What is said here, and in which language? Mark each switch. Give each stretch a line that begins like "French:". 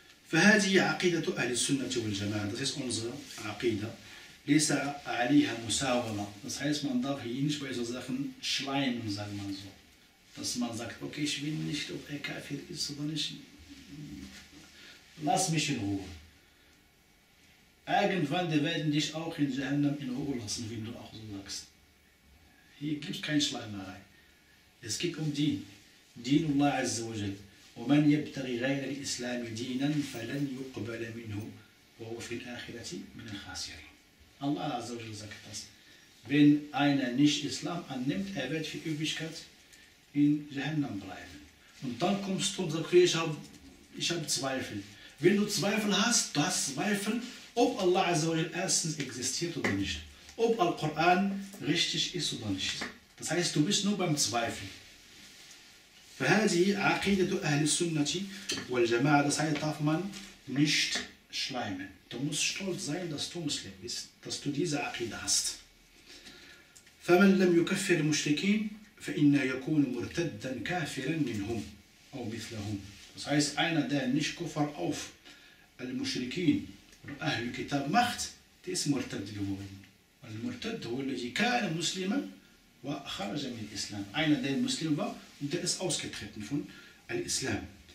Arabic: فهذه عقيدة أهل السنة والجماعة.
German: Das ist unsere عقيدة.
Arabic: ليس عليها مساومة.
German: Das heißt, man darf hier nicht bei so Sachen schleimen, sagt man so. Dass man sagt, okay, ich will nicht, ob er Kafir ist oder nicht. Lass mich in Ruhe. Irgendwann, die werden dich auch in Jahannam in Ruhe lassen, wenn du auch so sagst. Hier gibt es keine Schleimerei. Es geht um Dien. Dien Allah Azza wa Jal.
Arabic: ومن يبتغي غير الإسلام دينا فلن يقبل منه وهو في الآخرة من الخاسرين.
German: الله عز وجل sagt das. Wenn einer nicht Islam annimmt, er wird für Ewigkeit in Jahannam bleiben. Und dann kommst du und sagst, ich habe Zweifel. Wenn du Zweifel hast, du hast Zweifel, ob Allah عز وجل erstens existiert oder nicht. Ob Al-Quran richtig ist oder nicht. Das heißt, du bist nur beim Zweifel.
Arabic: فهذه عقيدة أهل السنة والجماعة.
German: Das heißt, darf man nicht schleimen. Du musst stolz sein, dass du Muslim bist, dass du diese عقيدة hast.
Arabic: فمن لم يكفر المشركين فإنه يكون مرتدا كافرا منهم أو مثلهم.
German: Das heißt, einer, der nicht Kuffar auf المشركين oder أهل الكتاب macht, der ist مرتد geworden.
Arabic: المرتد هو الذي كان مسلما وخرج من الإسلام.
German: Einer, der Muslim war, der ist ausgetreten von Al-Islam.